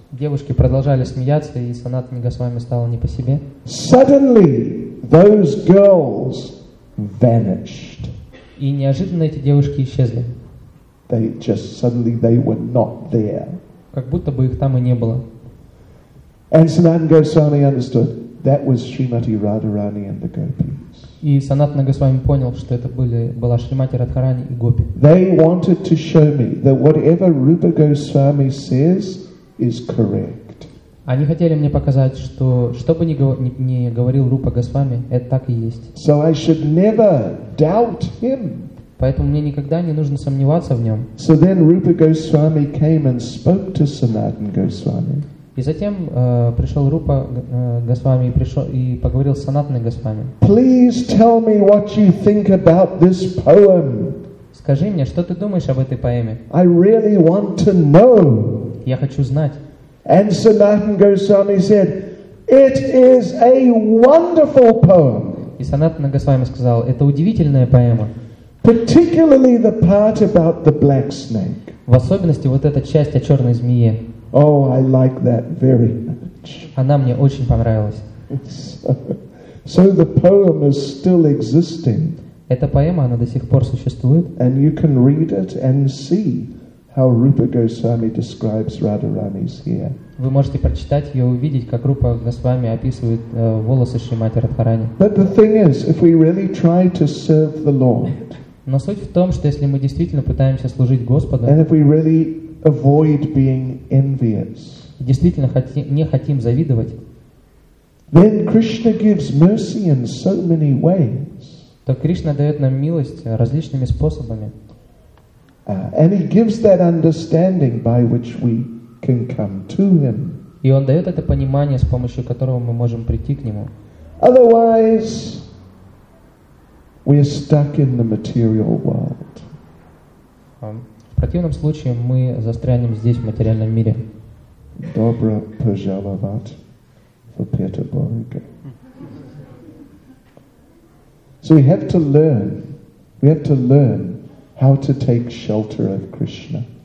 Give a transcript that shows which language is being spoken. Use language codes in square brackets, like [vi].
[ru] Девушки продолжали смеяться, и Санатана Госвами стало не по себе. [en] Suddenly, those girls vanished. [ru] И неожиданно эти девушки исчезли. [en] They just suddenly they were not there. [ru] Как будто бы их там и не было. [en] And Sanatana Goswami understood that was Srimati Radharani and the Gopis. [ru] И Санатана Госвами понял, что это была Шримати Радхарани и Гопи. [en] They wanted to show me that whatever Rupa Goswami says is correct. [ru] Они хотели мне показать, что что бы ни говорил Рупа Госвами, это так и есть. [en] So I should never doubt him. [ru] Поэтому мне никогда не нужно сомневаться в нем. [en] So then Rupa Goswami came and spoke to Sanatana Goswami. [ru] И затем пришел Рупа Госвами и поговорил с Санатаной Госвами. [en] Please tell me what you think about this poem. [ru] Скажи мне, что ты думаешь об этой поэме? [en] I really want to know. [ru] Я хочу знать. [en] And Sanatana Goswami said, it is a wonderful poem. [ru] И Санатана Госвами сказал, это удивительная поэма. [en] Particularly the part about the black snake. [ru] В особенности вот эта часть о черной змее. [en] Oh, I like that very much. [ru] Она мне очень понравилась. [en] So the poem is still existing. [ru] Эта поэма, она до сих пор существует. [en] And you can read it and see how Rupa Goswami describes Radharani's hair. [ru] Вы можете прочитать ее и увидеть, как Рупа Госвами описывает волосы Шримати Радхарани. [en] But the thing is, if we really try to serve the Lord. [ru] Но суть в том, что если мы действительно пытаемся служить Господу. [en] And if we really avoid being envious. [ru] Действительно не хотим завидовать. [en] Then Krishna gives mercy in so many ways. [ru] То Кришна дает нам милость различными способами. [en] And he gives that understanding by which we can come to him. [ru] И он дает это понимание, с помощью которого мы можем прийти к нему. [en] Otherwise, we are stuck in the material world. [ru] В противном случае мы застрянем здесь, в материальном мире. Добро пожаловать в Петербург. [en] So we have to learn how to take shelter of Krishna.